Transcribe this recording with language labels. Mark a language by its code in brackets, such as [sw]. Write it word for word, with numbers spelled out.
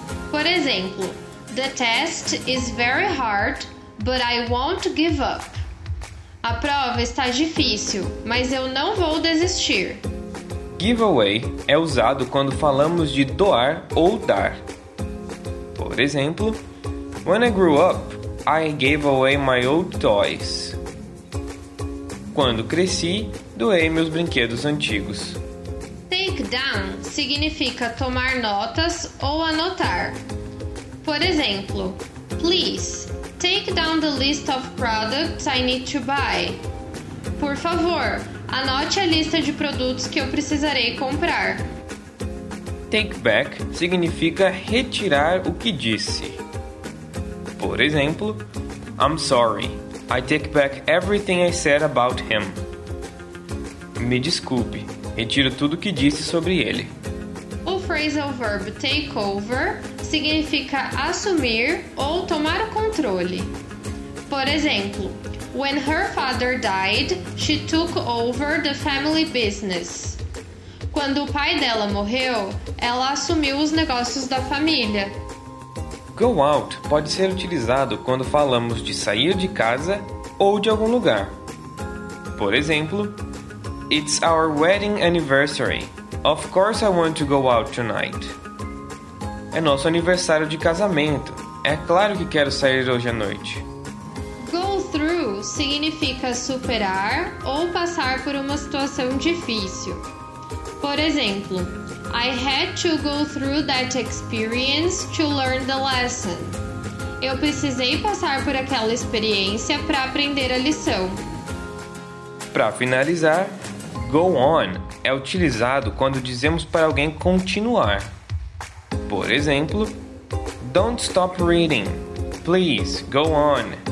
[pt] Por exemplo, [en] the test is very hard, but I won't give up. [pt] A prova está difícil, mas eu não vou desistir. Giveaway é usado quando falamos de doar ou dar. Por exemplo, [en] when I grew up, I gave away my old toys. [pt] Quando cresci, doei meus brinquedos antigos. Take down significa tomar notas ou anotar. Por exemplo, [en] please, take down the list of products I need to buy. [pt] Por favor, anote a lista de produtos que eu precisarei comprar. Take back significa retirar o que disse. Por exemplo, [en] I'm sorry, I take back everything I said about him. [pt] Me desculpe, retiro tudo o que disse sobre ele. O phrasal verb take over significa assumir ou tomar o controle. Por exemplo, [en] when her father died, she took over the family business. [pt] Quando o pai dela morreu, ela assumiu os negócios da família. Go out pode ser utilizado quando falamos de sair de casa ou de algum lugar. Por exemplo, [en] it's our wedding anniversary. Of course I want to go out tonight. [pt] É nosso aniversário de casamento. É claro que quero sair hoje à noite. Go through significa superar ou passar por uma situação difícil. Por exemplo, [en] I had to go through that experience to learn the lesson. [pt] Eu precisei passar por aquela experiência para aprender a lição. Para finalizar, go on é utilizado quando dizemos para alguém continuar. Por exemplo, [en] don't stop reading. Please, go on.